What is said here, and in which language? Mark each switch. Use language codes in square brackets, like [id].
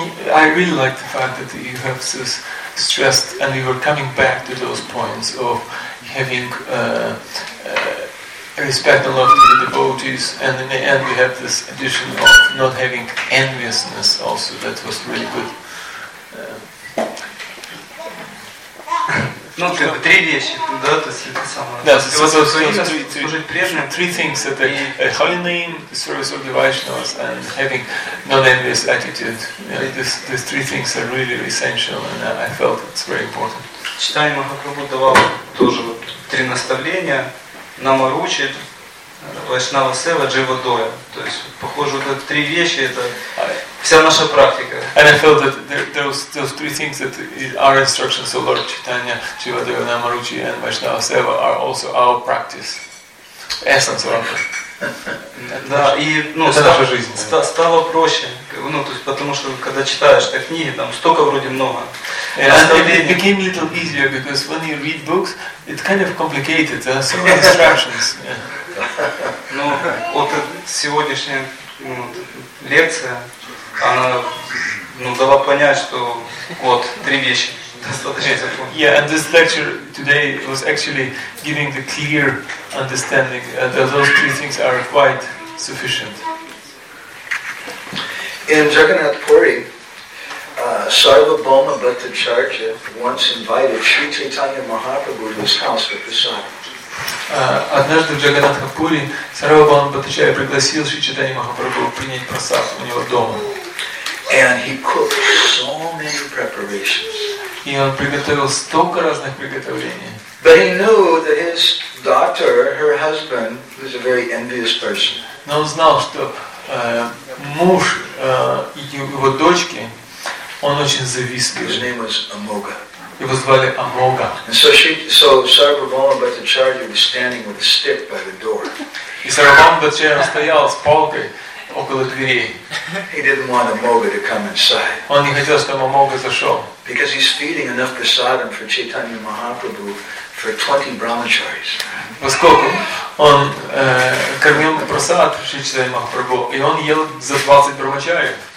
[en] I really like the fact that you have this stressed, and we were coming back to those points of having respect and love to the devotees, and in the end we have this addition of not having enviousness also, that was really good. [ru] Ну, как бы три вещи, да, то есть это самое. Да, это вот [en] three things that are a holy name, the service of the Vaishnavas, and having non-envious attitude. Yeah, these three things are really essential, and I felt it's very important. [ru] Чайтанья Махапрабху давал тоже вот три наставления: намаручи, Вайшнава сева, джива доя. То есть похоже, вот эти три вещи это вся наша практика. [en] And I felt that those three things that are instructions of Lord Chaitanya, Jivadeva, Namaruchi, and Vaishnava Seva are also our practice. essence of it. [ru] Да, и ну, стало, жизнь, стало проще. Ну, то есть, потому что когда читаешь те книги, там столько вроде много. [en] And it became a little easier because when you read books, it kind of complicated. There are so many instructions. [ru] Ну, вот сегодняшняя лекция, она дала понять, что вот три вещи. [en] Yeah, and this lecture today was actually giving the clear understanding that those three things are quite sufficient. In Jagannath Puri, Sarvabhauma Bhattacharya once invited Sri Chaitanya Mahaprabhu to his house for prasad. [ru] Однажды в Джаганнатха Пури Сарвабхаума Бхаттачарья пригласил Шри Чайтанья Махапрабху принять прасад у него дома. [en] And he cooked so many preparations. [ru] И он приготовил столько разных приготовлений. [en] But he knew that his daughter, her husband, was a very envious person. [ru] Но он знал, что муж его дочки, он очень завистлив. [en] His name was Amoga. [ru] Его звали Амога. [en] So Sarvabhauma Bhattacharya was standing with a stick by the door. [ru] И Сарвабхаума Бхаттачарья стоял с палкой около дверей. [en] He didn't want Amoga to come inside. [ru] Он не хотел, чтобы Амога зашел. [en] Because he's feeding enough prasadam for Chaitanya Mahaprabhu for 20 brahmacharis. [ru] Поскольку он кормил прасад Шри Чайтанья Махапрабху, и он ел за 20 брахмачари.